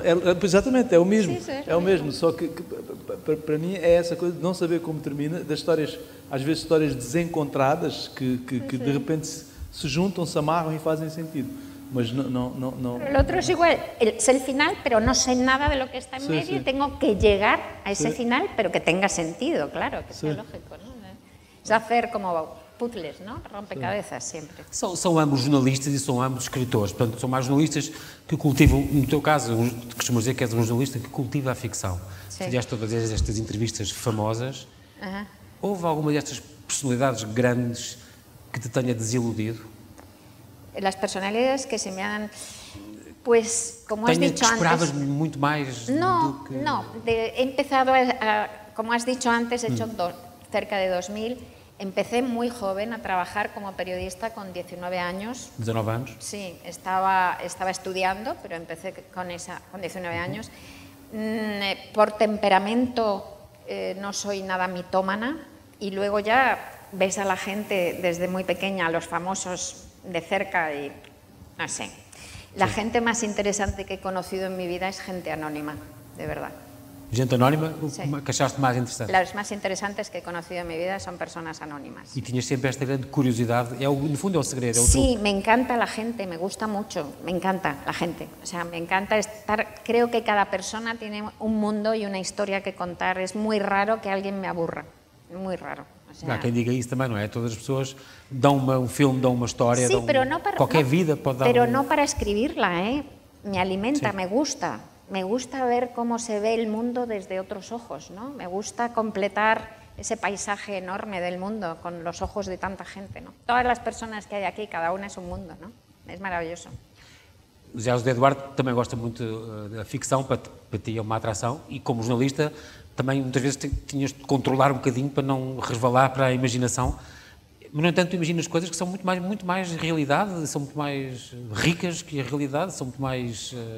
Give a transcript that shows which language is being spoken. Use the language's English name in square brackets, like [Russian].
[Spanish] Exactamente, es lo mismo. Es lo mismo, solo que para mí es esa cosa de no saber cómo termina, de historias, a veces historias desencontradas que de repente se juntan, se amarran y hacen sentido. [Portuguese] Mas não. [Spanish] El otro es igual, es el final, pero no sé nada de lo que está en medio y tengo que llegar a ese final, pero que tenga sentido, claro, que sea lógico, ¿no? Es hacer como [Portuguese] puzzles, não? Rompe-cabeças, sempre. São ambos jornalistas e são ambos escritores. Portanto, são mais jornalistas que cultivam, no teu caso, costumas dizer que és um jornalista que cultiva a ficção. Fizeste todas estas entrevistas famosas. Uh-huh. Houve alguma destas personalidades grandes que te tenha desiludido? [Spanish] As personalidades que se me han... Pues, como [Portuguese] tenha [Spanish] has dicho antes... [Portuguese] Esperavas muito mais [Spanish] no, [Portuguese] do que... Não, não. [Spanish] He empezado a... Como has dicho antes, he hecho cerca de 2000. Empecé muy joven a trabajar como periodista con 19 años. ¿19 años? Sí, estaba estudiando, pero empecé con 19 años. Por temperamento no soy nada mitómana y luego ya ves a la gente desde muy pequeña, a los famosos de cerca y no sé. La gente más interesante que he conocido en mi vida es gente anónima, de verdad. [Portuguese] Gente anónima, que achaste mais interessante? [Spanish] Las más interesantes que he conocido en mi vida son personas anónimas. [Portuguese] E tinhas sempre esta grande curiosidade, no fundo é o segredo. [Spanish] Sí, me encanta la gente, me gusta mucho, me encanta la gente. O sea, me encanta estar, creo que cada persona tiene un mundo y una historia que contar. Es muy raro que alguien me aburra, muy raro. [Portuguese] O sea, quem diga isso também, não é? Todas as pessoas dão um filme, dão uma história, [Spanish] sí, [Portuguese] dão [Spanish] pero no para, [Portuguese] qualquer [Spanish] no, [Portuguese] vida pode dar. [Spanish] Pero no para escribirla, me alimenta, sí. Me gusta. Me gusta ver cómo se ve el mundo desde otros ojos, ¿no? Me gusta completar ese paisaje enorme del mundo con los ojos de tanta gente, ¿no? Todas las personas que hay aquí, cada una es un mundo, ¿no? Es maravilloso. [Portuguese] Já o Eduardo também gosta muito da ficção, para ti é uma atração, e como jornalista também muitas vezes tinhas de controlar um bocadinho para não resvalar para a imaginação. No entanto, imaginas coisas que são muito mais realidade, são muito mais ricas que a realidade, são muito mais...